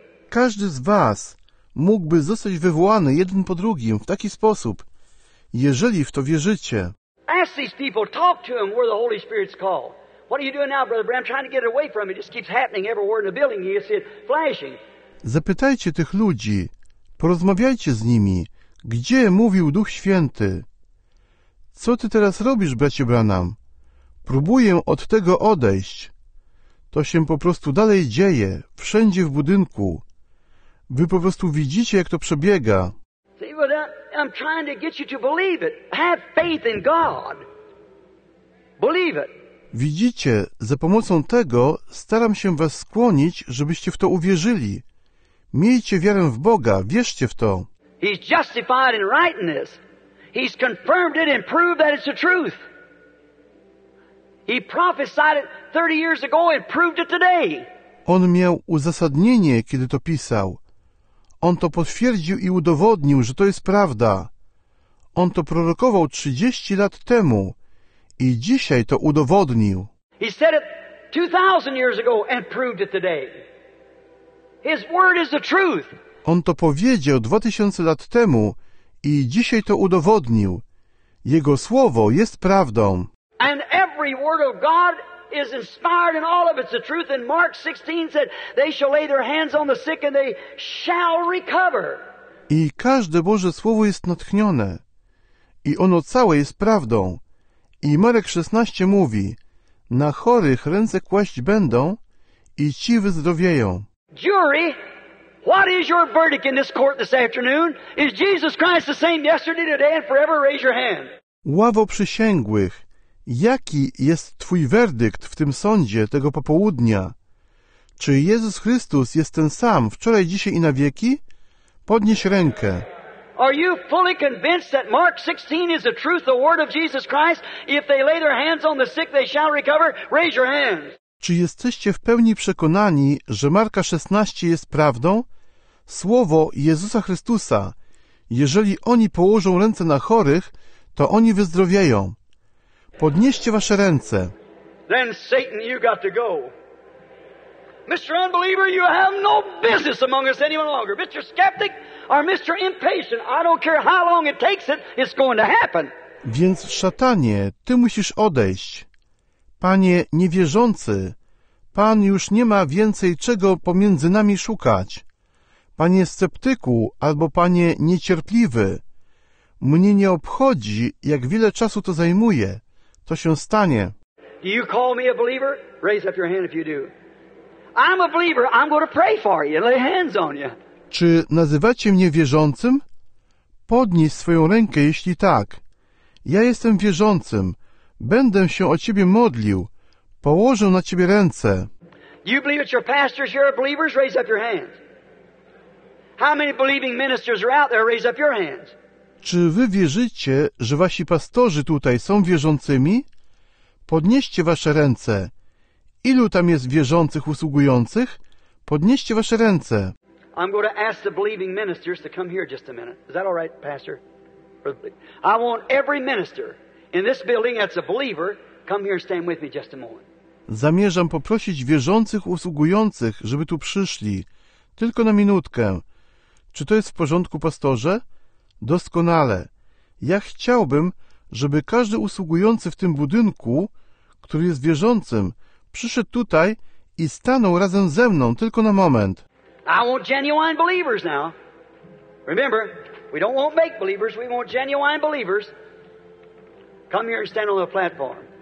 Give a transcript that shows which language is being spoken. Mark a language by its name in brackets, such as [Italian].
[Polish] Każdy z was mógłby zostać wywołany jeden po drugim w taki sposób, jeżeli w to wierzycie. [English] Ask these people, talk to them where the Holy Spirit's called. What are you doing now, Brother Branham? I'm trying to get it away from you. It just keeps happening everywhere in the building. You see it flashing. [Polish] Zapytajcie tych ludzi, porozmawiajcie z nimi, gdzie mówił Duch Święty. Co ty teraz robisz, bracie Branham? Próbuję od tego odejść. To się po prostu dalej dzieje, wszędzie w budynku. Wy po prostu widzicie, jak to przebiega. [English] I'm trying to get you to believe it. Have faith in God. Believe it. [Polish] Widzicie, za pomocą tego staram się was skłonić, żebyście w to uwierzyli. Miejcie wiarę w Boga, wierzcie w to. [English] He's justified in writing this. He's confirmed it and proved that it's the truth. He prophesied it 30 years ago and proved it today. [Polish] On miał uzasadnienie, kiedy to pisał. On to potwierdził i udowodnił, że to jest prawda. On to prorokował 30 lat temu i dzisiaj to udowodnił. [English] He said it 2000 years ago and proved it today. His word is the truth. [Polish] On to powiedział 2000 lat temu i dzisiaj to udowodnił. Jego słowo jest prawdą. [English] And every word of God is inspired in all of its the truth. And Mark 16 said, they shall lay their hands on the sick and they shall recover. [Polish] I każde Boże Słowo jest natchnione. I ono całe jest prawdą. I Marek 16 mówi, na chorych ręce kłaść będą i ci wyzdrowieją. [English] Jury, what is your verdict in this court this afternoon? Is Jesus Christ the same yesterday, today and forever? Raise your hand. [Polish] Ławo przysięgłych, jaki jest twój werdykt w tym sądzie tego popołudnia? Czy Jezus Chrystus jest ten sam wczoraj, dzisiaj i na wieki? Podnieś rękę. [English] Are you fully convinced that Mark 16 is the truth, the word of Jesus Christ? If they lay their hands on the sick, they shall recover? Raise your hands. [Polish] Czy jesteście w pełni przekonani, że Marka 16 jest prawdą? Słowo Jezusa Chrystusa. Jeżeli oni położą ręce na chorych, to oni wyzdrowieją. Podnieście wasze ręce. [English] Then Satan, you got to go. Mr. Unbeliever, you have no business among us any longer. Mr. Skeptic or Mr. Impatient, I don't care how long it takes it, it's going to happen. [Polish] Więc szatanie, ty musisz odejść. Panie niewierzący, pan już nie ma więcej czego pomiędzy nami szukać. Panie sceptyku albo panie niecierpliwy, mnie nie obchodzi, jak wiele czasu to zajmuje. To się stanie. [English] Do you call me a believer? Raise up your hand if you do. I'm a believer. I'm going to pray for you and lay hands on you. [Polish] Czy nazywacie mnie wierzącym? Podnieś swoją rękę, jeśli tak. Ja jestem wierzącym. Będę się o ciebie modlił. Położę na ciebie ręce. [English] Do you believe that your pastors here are believers? Raise up your hands. How many believing ministers are out there? Raise up your hands. [Polish] Czy wy wierzycie, że wasi pastorzy tutaj są wierzącymi? Podnieście wasze ręce. Ilu tam jest wierzących, usługujących? Podnieście wasze ręce. [English] I'm going to ask the believing ministers to come here just a minute. Is that all right, pastor? I want every minister in this building that's a believer, come here and stand with me just a moment. [Polish] Zamierzam poprosić wierzących, usługujących, żeby tu przyszli. Tylko na minutkę. Czy to jest w porządku, pastorze? Doskonale. Ja chciałbym, żeby każdy usługujący w tym budynku, który jest wierzącym, przyszedł tutaj i stanął razem ze mną tylko na moment. [English] I want genuine believers now. Remember, we don't want make believers, we want genuine believers. Come here and stand on the platform.